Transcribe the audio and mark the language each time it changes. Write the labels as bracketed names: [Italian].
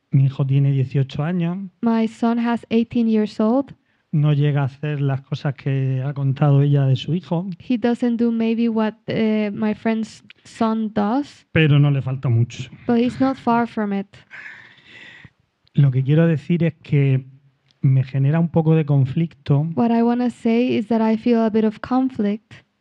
[Spanish] Mi hijo tiene 18 años. [English] My son has 18 years old. [Spanish] No llega a hacer las cosas que ha contado ella de su hijo. [English] He doesn't do maybe what my friend's son does. [Spanish] Pero no le falta mucho. [English] But he's not far from it. [Spanish] Lo que quiero decir es que me genera un poco de conflicto. [English] What I want to say is that I feel a bit of conflict.